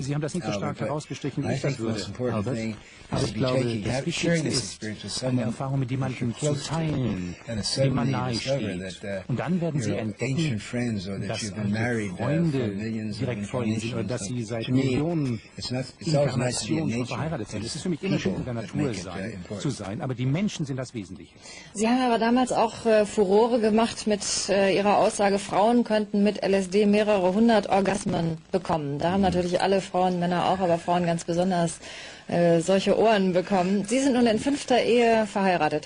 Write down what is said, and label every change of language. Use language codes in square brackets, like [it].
[de] Sie haben das nicht so stark herausgestrichen, wie ich das würde. Aber ich glaube, das Wichtigste ist, eine Erfahrung mit jemandem zu teilen, dem man nahe steht. Und dann werden Sie entdecken, [en] friends or that you've been married for millions of incarnations. So, to me, it's always nice to be in nature. And it's people that make it important. But the people are the essential. [de] Sie haben aber damals auch Furore gemacht mit Ihrer Aussage, Frauen könnten mit LSD mehrere hundert Orgasmen bekommen. Da haben natürlich alle Frauen, Männer auch, aber Frauen ganz besonders solche Ohren bekommen. Sie sind nun in fünfter Ehe verheiratet.